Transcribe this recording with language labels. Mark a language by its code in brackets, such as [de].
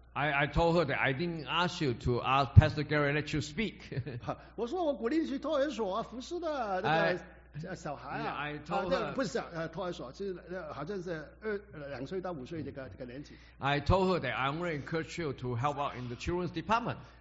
[en] I told her that I didn't ask you to ask Pastor Gary let you speak. [zh] 我说我鼓励你去托儿所啊，服侍的那个小孩啊，不是托儿所，是好像是两岁到五岁这个年纪。 [en] I told her that I only encourage you to help out in the children's department.